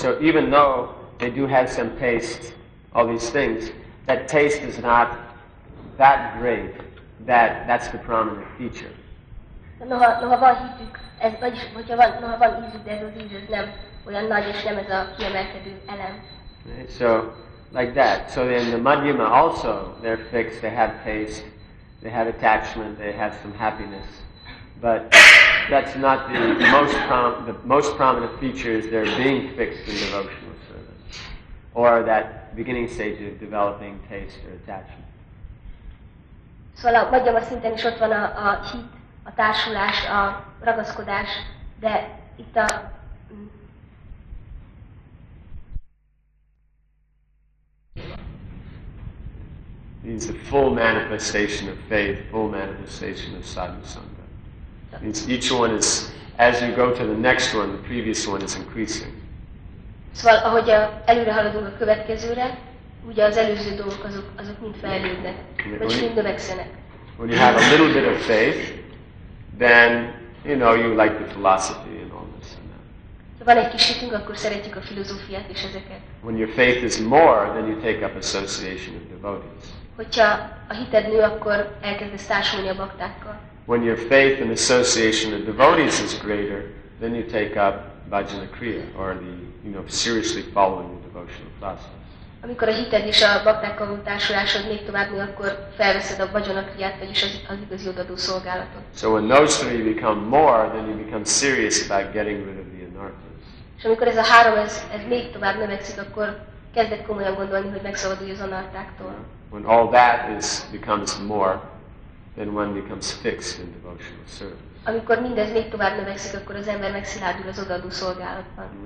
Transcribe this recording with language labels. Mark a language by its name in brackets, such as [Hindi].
[English] So even though they do have some taste, all these things, that taste is not that great, that's the prominent feature. [Hungarian] Noha van hitük, ez, vagyis, hogyha van ízük, de ez az íz, ez nem olyan nagy, és nem ez a kiemelkedő elem. [English] Right, so, like that. So in the madhyama also, they're fixed, they have taste, they have attachment, they have some happiness. But that's not the most prominent feature is they're being fixed in devotional service. Or that beginning stage of developing taste or attachment. [Hungarian] Szóval a madhyama szinten is ott van a hit, a társulás, a ragaszkodás, de itt a [English] means the full manifestation of faith, full manifestation of sadhusanga. Means each one is, as you go to the next one, the previous one is increasing. [Hungarian] Szóval, ahogy előre haladunk a következőre, ugye az előző dolgok azok mind fejlődnek, vagy mind növekszenek. [English] When you have a little bit of faith, then you know you like the philosophy and all this and that. [Hungarian] Ha van egy kis hitünk, akkor szeretjük a filozófiát és ezeket. [English] When your faith is more, then you take up association with devotees. [Hungarian] Hogyha a hited nő, akkor elkezdesz társulni a baktákkal. [English] When your faith and association with devotees is greater, then you take up bhajana kriya, or the, you know, seriously following the devotional process. [Hungarian] Amikor a hited és a baktákkal való társulásod még tovább nő, akkor felveszed a bhajana kriyát, vagyis az igazi odaadó szolgálatot. [English] So when those three become more, then you become serious about getting rid of the anarthas. [Hungarian] És amikor ez a három, ez még tovább növekszik, akkor kezdek komolyan gondolni, hogy megszabadulj az anartáktól. [English] When all that is becomes more, then one becomes fixed in devotional service. [Hungarian] Amikor mindez még tovább növekszik, akkor az ember megszilárdul az odaadó szolgálatban.